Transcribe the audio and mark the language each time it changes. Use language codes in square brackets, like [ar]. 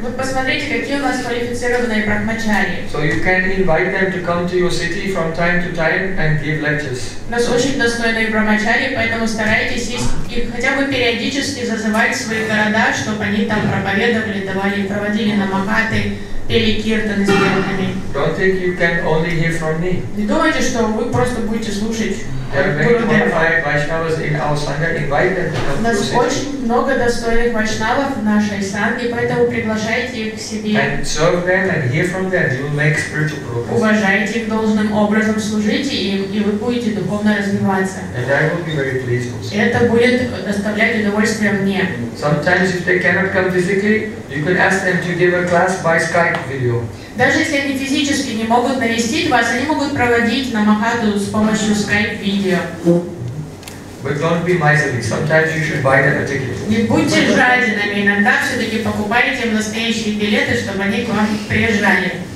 [ru] Вот посмотрите, какие у нас квалифицированные брахмачари. [en] So you can invite them to come to your city from time to time and give lectures. [ru] У нас очень достойные брахмачари, поэтому старайтесь и хотя бы периодически зазывать свои города, чтобы они там проповедовали, давали, проводили намахаты. [en] Don't think you can only hear from me. [ru] Не думайте, что вы просто будете слушать. У нас очень много достойных вайшнавов в нашей санге, поэтому приглашайте их к себе. [en] And serve them and hear from them, you will make spiritual progress. [ru] Уважайте их должным образом, служите им, и вы будете духовно развиваться. [en] And I will be very pleased also. [ru] Это будет доставлять удовольствие мне. [en] Sometimes if they cannot come physically, you can ask them to give a class by Skype video. [ru] Даже если они физически не могут навестить вас, они могут проводить намахату с помощью Skype video. [en] But don't be miserly. Sometimes you should buy them a ticket. [ru] Не будьте жадинами, иногда все-таки покупайте им настоящие билеты, чтобы они к вам приезжали.